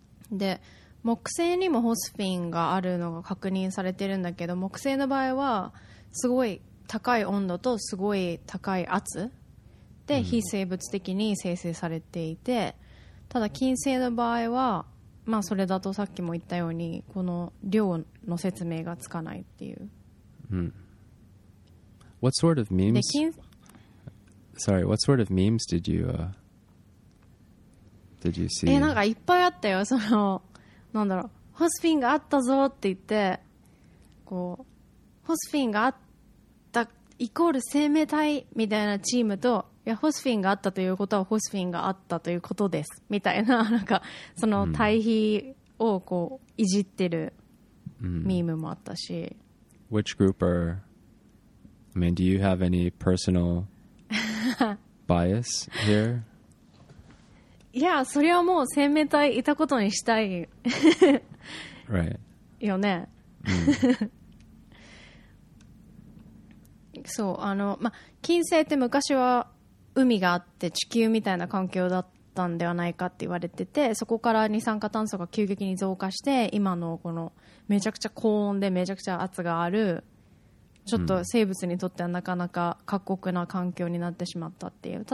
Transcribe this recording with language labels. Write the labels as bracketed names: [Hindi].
[Japanese] で、木星にもホスフィンがあるのが確認されてるんだけど、木星の場合はすごい高い温度とすごい高い圧で非生物的に生成されていて、ただ金星の場合は、まあそれだとさっきも言ったように、この量の説明がつかないっていう。 [English] What sort of memes? Sorry, what sort of memes did you see? [Japanese] なんかいっぱいあったよ。そのなんだろう、ホスフィンがあったぞって言って、こうホスフィンがあったイコール生命体みたいなチームと、いやホスフィンがあったということはホスフィンがあったということですみたい なんかその対比をこういじってるミームもあったし、 [English] Which group are I mean do you have any personal bias here? [Japanese] いや、それはもう生命体いたことにしたい [English] right [Japanese] よね、そう、ま、金星って昔は海があって地球みたいな環境だったんではないかって言われてて、そこから二酸化炭素が急激に増加して、今のこのめちゃくちゃ高温でめちゃくちゃ圧がある、ちょっと生物にとってはなかなか過酷な環境になってしまったっていう。